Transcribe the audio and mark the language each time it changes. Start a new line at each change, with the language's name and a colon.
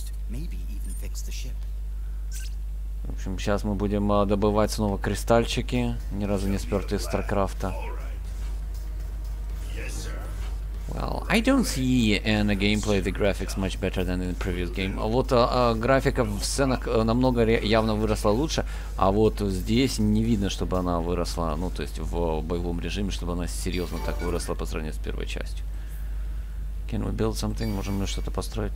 Russian: В общем, сейчас мы будем добывать снова кристальчики, ни разу не спертые из Старкрафта.
English: Well, I don't see in the gameplay the graphics much better than in the previous game.
Russian: А вот графика в сценах намного явно выросла лучше, а вот здесь не видно, чтобы она выросла, ну то есть в боевом режиме, чтобы она серьезно так выросла по сравнению с первой частью.
English: Can we build something?
Russian: Можем мы что-то построить?